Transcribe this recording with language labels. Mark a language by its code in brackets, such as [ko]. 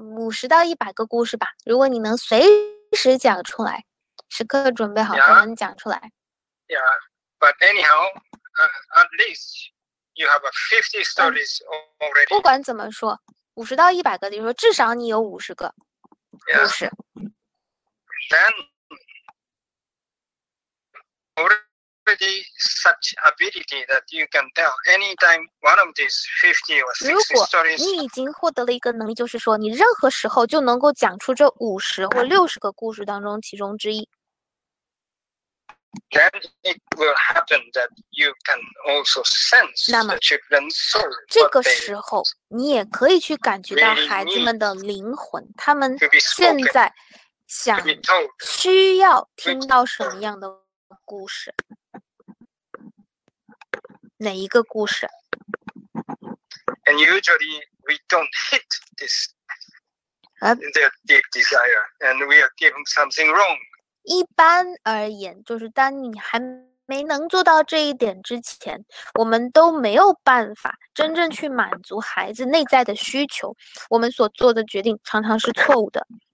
[zh] 50-100 个故事吧，如果你能随时讲出来，时刻准备好才能讲出来。 [en] Yeah, but anyhow, at least you have 50 stories already. [zh] 不管怎么说，50-100个，就是说至少你有50个故事。 [en] Then, such ability that you can tell anytime one of these 50 or 60 stories. [zh] 如果你已经获得了一个能力，就是说你任何时候就能够讲出这50或60个故事当中其中之一。 [en] Then it will happen that you can also sense the children's soul. [zh] 这个时候你也可以去感觉到孩子们的灵魂，他们现在想需要听到什么样的故事。哪一个故事 [en] ？And usually we don't hit this their deep desire, and we are giving something wrong. [zh] 一般而言，就是当你还没能做到这一点之前，我们都没有办法真正去满足孩子内在的需求。我们所做的决定常常是错误的。